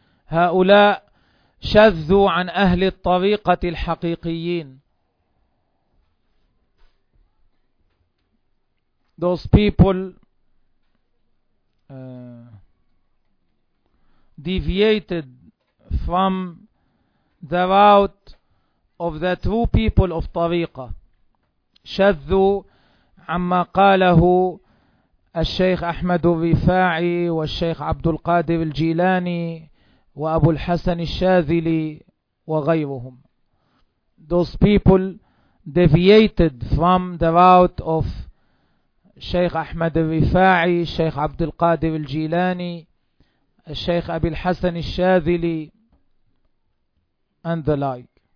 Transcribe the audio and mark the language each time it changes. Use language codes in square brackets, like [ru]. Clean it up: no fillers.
[ar] هؤلاء شذوا عن أهل الطريقة الحقيقيين. [en] Those people deviated from the route of the true people of Tariqah. [ar] شذوا عما قاله الشيخ أحمد الرفاعي والشيخ عبد القادر الجيلاني وأبو الحسن الشاذلي وغيرهم. [en] Those people deviated from the route of الشيخ أحمد الرفاعي, الشيخ عبد القادر الجيلاني, الشيخ أبي الحسن الشاذلي and the like.